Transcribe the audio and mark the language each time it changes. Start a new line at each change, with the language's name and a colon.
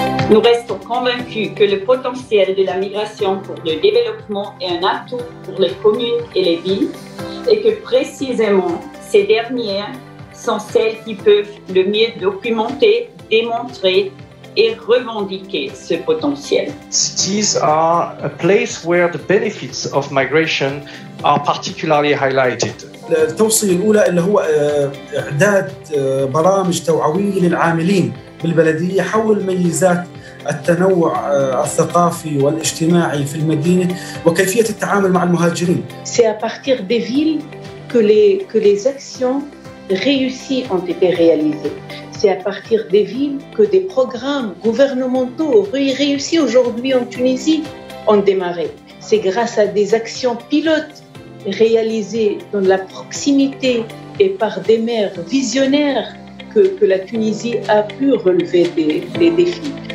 French: Nous restons convaincus que le potentiel de la migration pour le développement est un atout pour les communes et les villes et que précisément ces dernières sont celles qui peuvent le mieux documenter, démontrer et revendiquer ce potentiel.
English: Cities are a place where the benefits of migration are particularly highlighted.
Arabic: التوصية الأولى اللي هو إعداد برامج توعوية للعاملين بالبلدية حول ميزات التنوع الثقافي والاجتماعي في المدينة وكيفية التعامل مع المهاجرين.
French: C'est à partir des villes que les actions réussies ont été réalisées. C'est à partir des villes que des programmes gouvernementaux réussis aujourd'hui en Tunisie ont démarré. C'est grâce à des actions pilotes réalisées dans la proximité et par des maires visionnaires que la Tunisie a pu relever des défis.